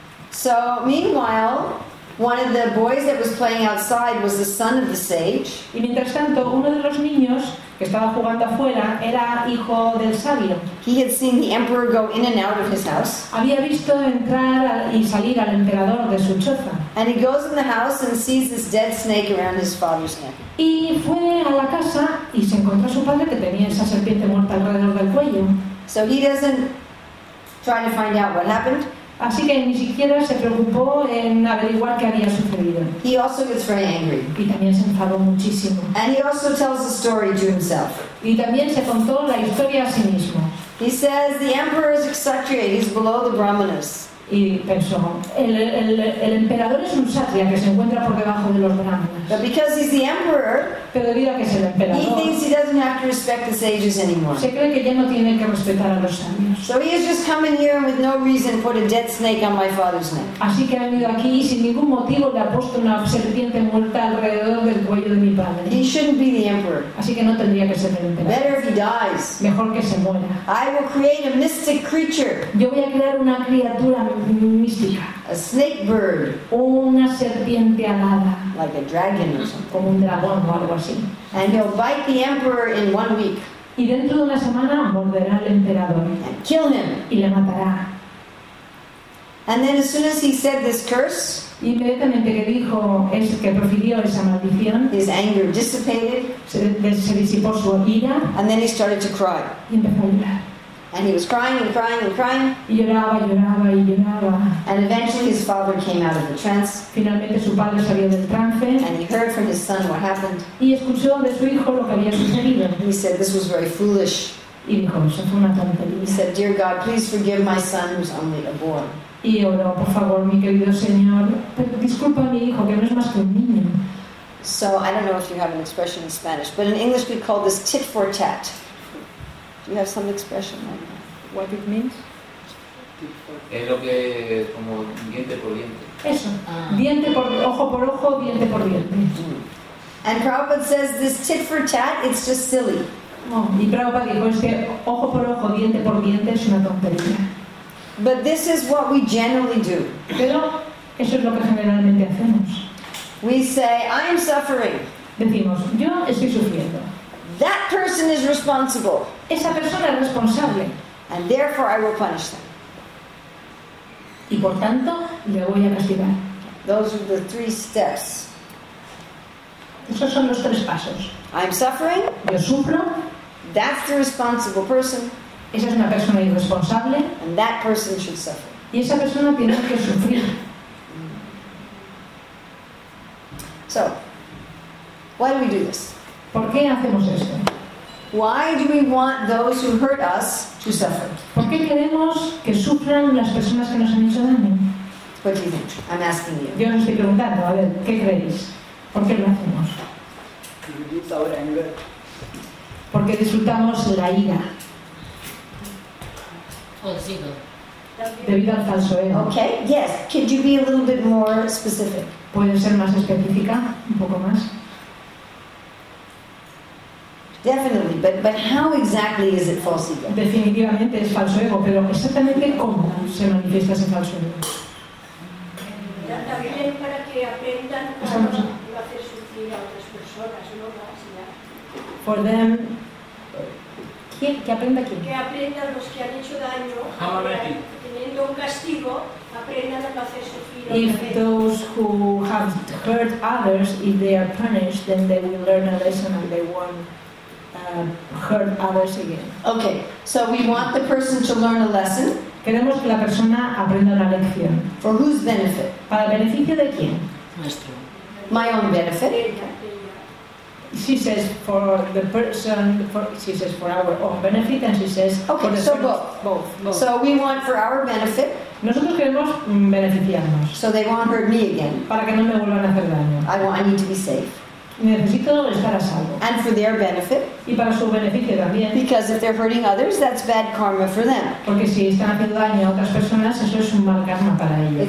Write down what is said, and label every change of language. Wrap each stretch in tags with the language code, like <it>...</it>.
<en>So meanwhile, one of the boys that was playing outside was the son of the sage.</en> <es>Y mientras tanto, uno de los niños que estaba jugando afuera era hijo del sabio.</es> <en>He had seen the emperor go in and out of his house.</en> <es>Había visto entrar y salir al emperador de su choza.</es> <en>And he goes in the house and sees this dead snake around his father's neck.</en> <es>Y fue a la casa y se encontró a su padre que tenía esa serpiente muerta alrededor del cuello.</es> <en>So he doesn't try to find out what happened.</en> <es>Así que ni siquiera se preocupó en averiguar qué había sucedido.</es> <en>He also gets very angry.</en> <es>Y también se enfadó muchísimo.</es> <en>And he also tells a story to himself.</en> <es>Y también se contó la historia a sí mismo.</es> <en>He says the emperor is a kshatriya, he's below the brahmanas.</en> <es>Y pensó, el emperador es un kshatriya que se encuentra por debajo de los brahmanas.</es> <en>But because he's the emperor,</en> <es>pero debido a que es el emperador,</es> <en>he thinks he doesn't have to respect the sages anymore.</en> <es>Se cree que ya no tiene que respetar a los sabios.</es> <en>So he has just come in here with no reason, put a dead snake on my father's neck.</en> <es>Así que ha venido aquí y sin ningún motivo le ha puesto una serpiente muerta alrededor del cuello de mi padre.</es> <en>He shouldn't be the emperor.</en> <es>Así que no tendría que ser el emperador.</es> <en>Better if he dies.</en> <es>Mejor que se muera.</es> <en>I will create a mystic creature.</en> <es>Yo voy a crear una criatura mística.</es> <en>A snake bird.</en> <es>Una serpiente alada.</es> <en>Like a dragon or something.</en> <es>Como un dragón o algo así.</es> <en>And he'll bite the emperor in 1 week.</en> <es>Y dentro de una semana morderá al emperador.</es> <en>And kill him.</en> <es>Y le matará.</es> <en>And then as soon as he said this curse,</en> <es>inmediatamente que dijo que profirió esa maldición,</es> <en>his anger dissipated.</en> <es>Se disipó su ira.</es> <en>And then he started to cry.</en> <es>Y empezó a llorar.</es> <en>And he was crying and crying and crying.</en> <es>Y lloraba, lloraba, y lloraba.</es> <en>And eventually his father came out of the trance.</en> <es>Finalmente su padre salió del trance.</es> <en>And he heard from his son what happened.</en> <es>Y escuchó de su hijo lo que había sucedido.</es> <en>He said, this was very foolish.</en> <es>Y dijo, eso fue una tontería.</es> <en>He said, dear God, please forgive my son who's only a boy.</en> <es>Y oró, por favor, mi querido Señor, disculpa a mi hijo que no es más que un niño.</es> <en>So I don't know if you have an expression in Spanish, but in English we call this tit for tat. Do you have some expression on what it means?</en> <es>Es lo que como diente por diente. Eso. Ah. Diente por ojo, diente por diente. Mm-hmm.</es> <en>And Prabhupada says this tit for tat, it's just silly.</en> <es>Oh, y Prabhupada dijo este ojo por ojo, diente por diente es una tontería.</es> <en>But this is what we generally do.</en> <es>Pero eso es lo que generalmente hacemos.</es> <en>We say, I am suffering.</en> <es>Decimos, yo estoy sufriendo.</es> <en>That person is responsible.</en> <es>Esa persona es responsable.</es> <en>And therefore I will punish them.</en> <es>Y por tanto, le voy a castigar.</es> <en>Those are the three steps.</en> <es>Esos son los tres pasos.</es> <en>I'm suffering.</en> <es>Yo sufro.</es> <en>That's the responsible person.</en> <es>Esa es una persona irresponsable.</es> <en>And that person should suffer.</en> <es>Y esa persona tiene que sufrir.</es> <en>So, why do we do this?</en> <es>¿Por qué hacemos esto?</es> <en>Why do we want those who hurt us to suffer?</en> <es>¿Por qué queremos que sufran las personas que nos han hecho daño?</es> <en>What do you think? I'm asking you.</en> <es>Yo os estoy preguntando, a ver, ¿qué creéis? ¿Por qué lo hacemos? Porque disfrutamos la ira. Debido al falso ego.</es> <en>Okay. Yes. Could you be a little bit more specific?</en> <es>¿Puedes ser más específica? Un poco más.</es> <en>Definitely, but how exactly is it false ego?</en> <es>Definitivamente es falso ego, pero exactamente cómo se manifiesta ese falso ego. También para que aprendan cómo hacer sufrir a otras personas, ¿no?</es> <en>For them,</en> <es>¿qué aprenda quién? Que aprendan los que han hecho daño, teniendo un castigo, aprendan a no hacer sufrir.</es> <en>If those who have hurt others, if they are punished, then they will learn a lesson and they won't hurt others again. Okay, so we want the person to learn a lesson.</en> <es>Queremos que la persona aprenda una lección.</es> <en>For whose benefit?</en> <es>¿Para beneficio de quién? Nuestro.</es> <en>My own benefit. She says for the person. She says for our own benefit, and she says okay, for the so both. Both. So we want for our benefit.</en> <es>Nosotros queremos beneficiarnos.</es> <en>So they won't hurt me again.</en> <es>Para que no me vuelvan a hacer daño.</es> <en>I need to be safe.</en> <es>Necesito estar a salvo.</es> <en>And for their benefit.</en> <es>Y para su beneficio también.</es> <en>Because if they're hurting others, that's bad karma for them.</en> <es>Porque si están haciendo daño a otras personas, eso es un mal karma para ellos.</es>